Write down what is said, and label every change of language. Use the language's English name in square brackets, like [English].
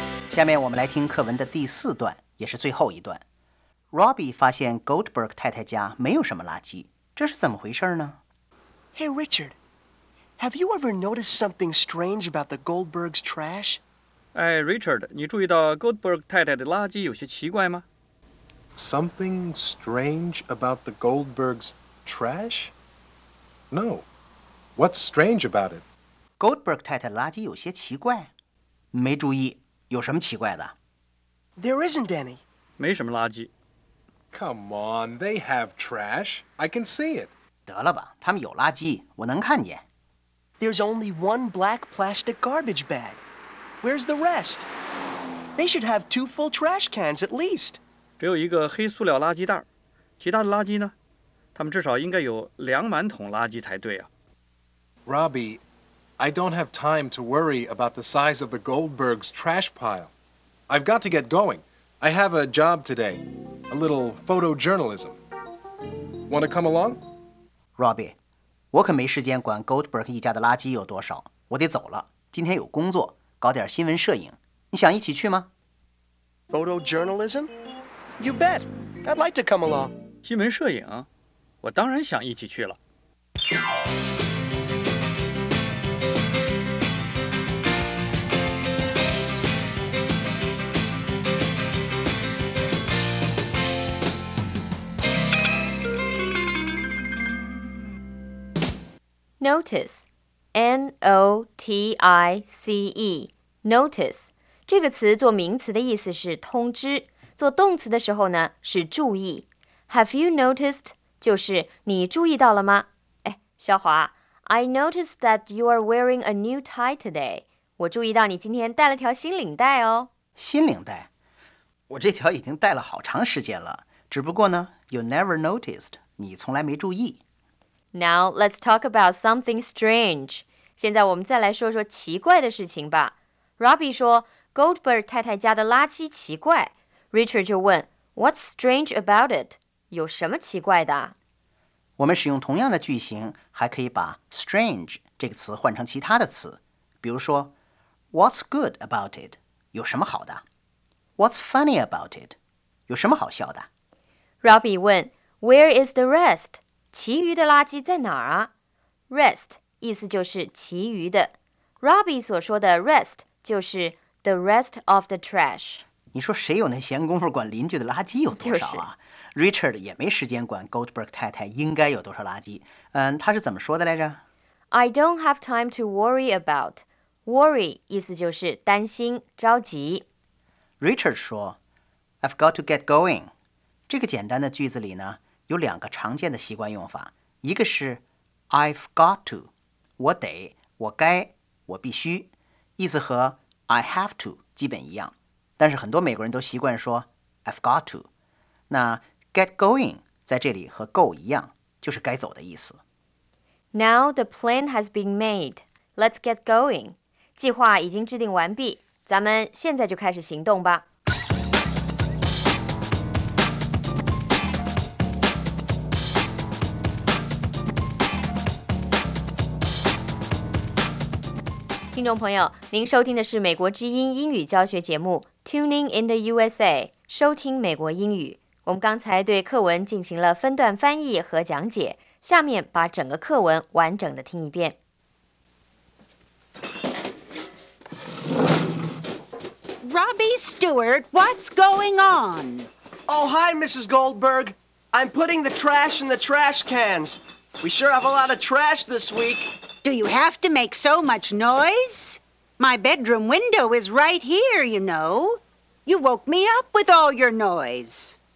[Chinese] 下面我们来听课文的第四段，也是最后一段。Robbie 发现 Goldberg 太太家没有什么垃圾，这是怎么回事呢？ [English] Hey Richard, have you ever noticed something strange about the Goldberg's trash? Hey Richard, [Chinese] 你注意到 Goldberg 太太的垃圾有些奇怪吗？ [English] Something strange about the Goldberg's trash? No, what's strange about it? [Chinese] Goldberg 太太的垃圾有些奇怪，没注意，有什么奇怪的？ [English] There isn't any. [Chinese] 没什么垃圾。 [English] Come on, they have trash. I can see it. [Chinese] 得了吧，他们有垃圾，我能看见。 [English] There's only one black plastic garbage bag. Where's the rest? They should have two full trash cans at least. [Chinese] 只有一个黑塑料垃圾袋，其他的垃圾呢？他们至少应该有两满桶垃圾才对啊。 [English] Robbie,I don't have time to worry about the size of the Goldberg's trash pile. I've got to get going. I have a job today, a little photojournalism. Want to come along? [Chinese] Robbie, 我可没时间管 Goldberg 一家的垃圾有多少，我得走了。今天有工作，搞点新闻摄影。你想一起去吗？ [English] Photojournalism? You bet. I'd like to come along. [Chinese] 新闻摄影？我当然想一起去了。 [English] Notice, N-O-T-I-C-E, notice. [Chinese] 这个词做名词的意思是通知，做动词的时候呢是注意。 [English] Have you noticed? [Chinese] 就是你注意到了吗？哎，小华， [English] I noticed that you are wearing a new tie today. [Chinese] 我注意到你今天戴了条新领带哦。新领带？我这条已经戴了好长时间了，只不过呢， [English] you never noticed, [Chinese] 你从来没注意。 [English] Now, let's talk about something strange. [Chinese] 现在我们再来说说奇怪的事情吧。Robbie 说 Goldberg 太太家的垃圾奇怪。 [English] Richard [Chinese] 就问 [English] What's strange about it? [Chinese] 有什么奇怪的？我们使用同样的句型，还可以把 strange 这个词换成其他的词。比如说 [English] What's good about it? [Chinese] 有什么好的？ [English] What's funny about it? [Chinese] 有什么好笑的？ [English] Robbie [Chinese] 问 [English] Where is the rest? [Chinese] 其余的垃圾在哪儿啊？ Rest 意思就是其余的。 Robbie 所说的 rest 就是 [English] the rest of the trash。 [Chinese] 你说谁有那闲工夫管邻居的垃圾有多少啊？就是。 Richard 也没时间管 Goldberg 太太应该有多少垃圾。嗯，他是怎么说的来着？ [English] I don't have time to worry about. [Chinese] Worry 意思就是担心，着急。 [English] Richard [Chinese] 说 [English] I've got to get going. [Chinese] 这个简单的句子里呢有两个常见的习惯用法，一个是 I've got to， 我得，我该，我必须，意思和 [English] I have to [Chinese] 基本一样，但是很多美国人都习惯说 I've got to。那 get going 在这里和 go 一样，就是该走的意思。 [English] Now the plan has been made. Let's get going. [Chinese] 计划已经制定完毕，咱们现在就开始行动吧。听众朋友，您收听的是美国之音英语教学节目 Tuning in the USA， 收听美国英语。我们刚才对课文进行了分段翻译和讲解，下面把整个课文完整的听一遍。 [English] Robbie Stewart, what's going on? Oh, hi, Mrs. Goldberg. I'm putting the trash in the trash cans. We sure have a lot of trash this week. Do you have to make so much noise? My bedroom window is right here, you know. You woke me up with all your noise.